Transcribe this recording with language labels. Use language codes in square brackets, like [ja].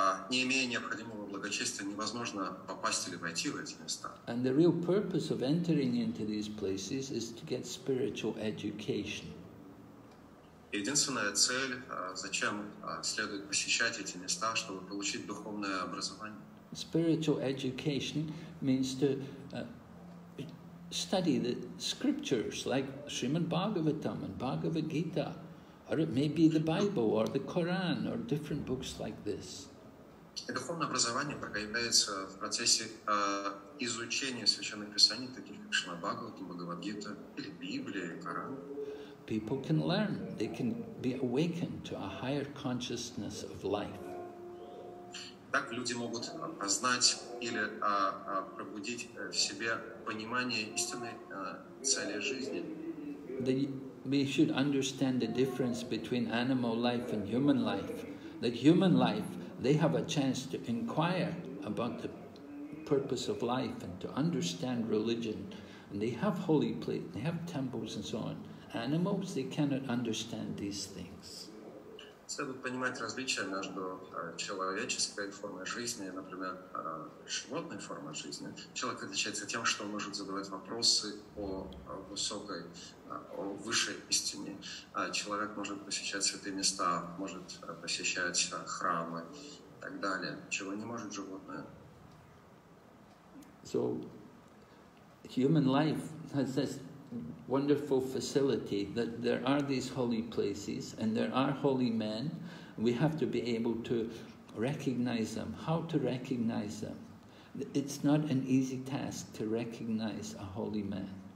[ru] Не имея необходимого благочестия, невозможно попасть или войти в эти места. [en] And the real purpose of entering into these places is to get spiritual education. [ru] Единственная цель, зачем следует посещать эти места, чтобы получить духовное образование. [en] Spiritual education means to study the scriptures like Srimad Bhagavatam and Bhagavad Gita, or it may be the Bible or the Quran or different books like this. [ru] И духовное образование проявляется в процессе изучения священных писаний, таких как Шримад-Бхагаватам, Бхагавад-Гита или Библия, Коран. [en] People can learn. They can be awakened to a higher consciousness of life. [ru] Так люди могут познать или пробудить в себе понимание истинной цели жизни. [en] We should understand the difference between animal life and human life. That human life, they have a chance to inquire about the purpose of life and to understand religion. And they have holy place, they have temples and so on. Animals, they cannot understand these things. [ru] Следует понимать различия между человеческой формой жизни, например, животной формой жизни. Человек отличается тем, что он может задавать вопросы о высокой, о высшей истине. Человек может посещать святые места, может посещать храмы и так далее, чего не может животное. [en] So, human life has this wonderful facility that there are these holy places and there are holy men. We have to be able to recognize them. How to recognize them? It's not an easy task to recognize a holy man.